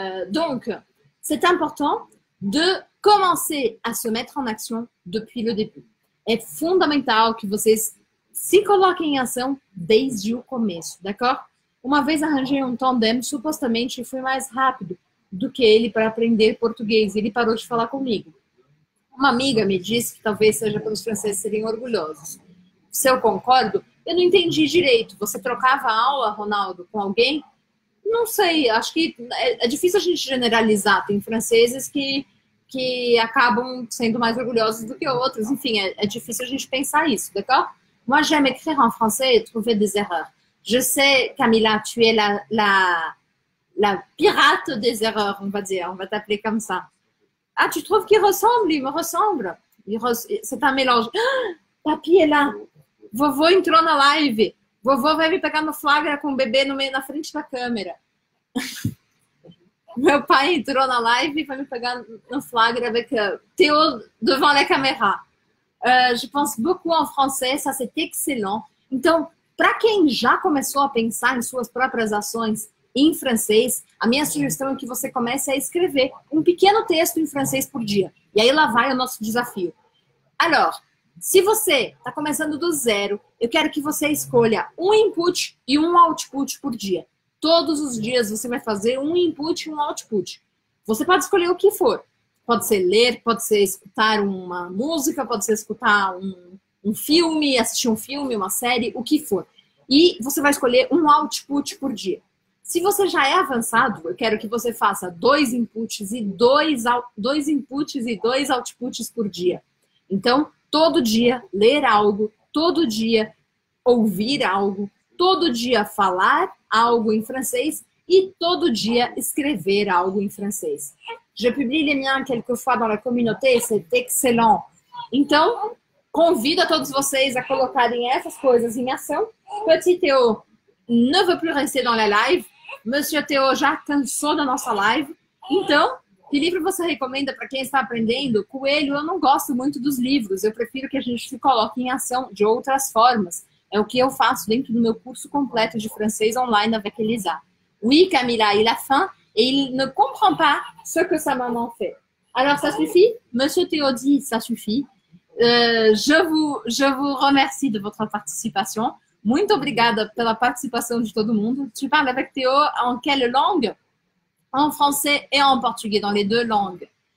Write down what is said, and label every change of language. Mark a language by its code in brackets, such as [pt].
[fr] Donc, c'est important de commencer à se mettre en action depuis le début. [pt] É fundamental que vocês se coloquem em ação desde o começo, d'accord? Uma vez arranjei um tandem, supostamente fui mais rápido do que ele para aprender português. Ele parou de falar comigo. Uma amiga me disse que talvez seja pelos franceses serem orgulhosos. Se eu concordo, eu não entendi direito. Você trocava aula, Ronaldo, com alguém? Não sei, acho que é difícil a gente generalizar. Tem franceses que acabam sendo mais orgulhosos do que outros. Enfim, é difícil a gente pensar isso, d'accord? [fr] Moi, j'aime écrire en français et trouver des erreurs. Je sais, Camila, tu es la pirate des erreurs, on va dire. On va t'appeler comme ça. Ah, tu trouves qu'il ressemble? Il me ressemble. C'est un mélange. Ah, papi est là. [pt] Vovô entrou na live. Vovô vai me pegar no flagra com o bebê no meio, na frente da câmera. Meu pai entrou na live e vai me pegar no flagra [fr] avec Théo devant la caméra. Je pense beaucoup en français, ça c'est excellent. [pt] Então, para quem já começou a pensar em suas próprias ações em francês, a minha sugestão é que você comece a escrever um pequeno texto em francês por dia. E aí lá vai o nosso desafio. Alors, se você está começando do zero, eu quero que você escolha um input e um output por dia. Todos os dias você vai fazer um input e um output. Você pode escolher o que for. Pode ser ler, pode ser escutar uma música, pode ser escutar um filme, assistir um filme, uma série, o que for. E você vai escolher um output por dia. Se você já é avançado, eu quero que você faça dois inputs e dois outputs por dia. Então, todo dia ler algo, todo dia ouvir algo, todo dia falar algo em francês e todo dia escrever algo em francês. [fr] Je publie les miens quelquefois dans la communauté, c'est excellent. [pt] Então, convido a todos vocês a colocarem essas coisas em ação. [fr] Petit Théo ne veut plus rester dans la live. [pt] Monsieur Théo já cansou da nossa live. Então, que livro você recomenda para quem está aprendendo? Coelho, eu não gosto muito dos livros. Eu prefiro que a gente se coloque em ação de outras formas. É o que eu faço dentro do meu curso completo de francês online avec Elisa. [fr] Oui, Camila, il a faim et il ne comprend pas ce que sa maman fait. Alors, ça suffit? Monsieur Théo dit, ça suffit. Je vous remercie de votre participation. [pt] Muito obrigada pela participação de todo mundo. [fr] Tu parles avec Théo en quelle langue? En français et en portugais, dans les deux langues.